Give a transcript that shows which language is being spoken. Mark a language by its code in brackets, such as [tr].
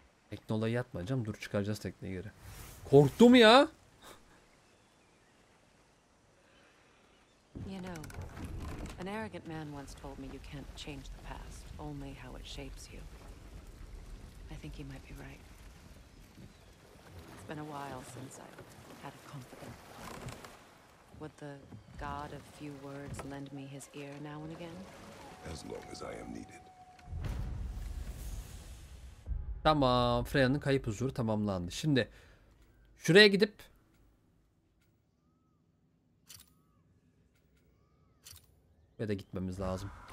[tr] Tekne olayı yatmayacağım. Dur çıkaracağız tekneyi geri. Korktum ya. [en] You know, an arrogant man once told me you can't change the past, only how it shapes you. I think he might be right. It's been a while since I had a confidant. Would the god of few words lend me his ear now and again? As long as I am needed. [tr] Tamam, Freya'nın kayıp huzuru tamamlandı. Şimdi şuraya gidip ve de gitmemiz lazım.